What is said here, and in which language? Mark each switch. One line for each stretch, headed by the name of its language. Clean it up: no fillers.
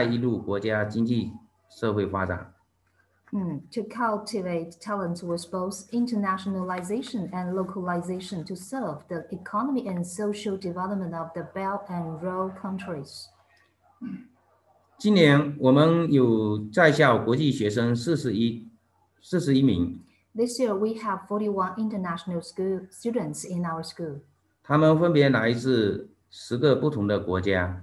Chinese: 培养和培训国际化和本土化兼备的高素质技术技能人才，服务于“一带一路”国家经济社会发展。
English: To cultivate talents with both internationalization and localization to serve the economy and social development of the Belt and Road countries.
Chinese: 今年我们有在校国际学生41名。
English: This year we have 41 international school students in our school.
Chinese: 他们分别来自10个不同的国家。